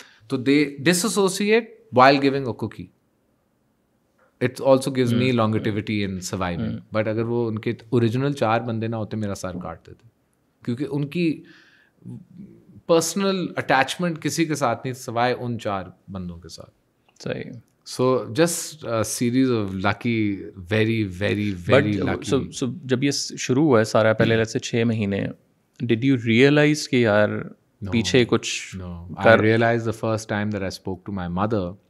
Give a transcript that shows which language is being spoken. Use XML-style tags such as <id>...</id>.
<en>तो they dissociate while giving a cookie. It's also gives me longevity in surviving.</en> <hi>But अगर वो उनके original 4 बंदे ना होते, मेरा सर काटते थे, क्योंकि उनकी पर्सनल अटैचमेंट किसी के साथ नहीं सवाए उन 4 बंदों के साथ. सही.</hi> <en>So just a series of lucky, very, very, very lucky.</en> <hi>So जब ये शुरू हुआ है सारा, पहले जैसे 6 महीने,</hi> <en>did you realize</en> <hi>कि यार पीछे कुछ?</hi> <en>No, I realized the first time that I spoke to my mother.</en>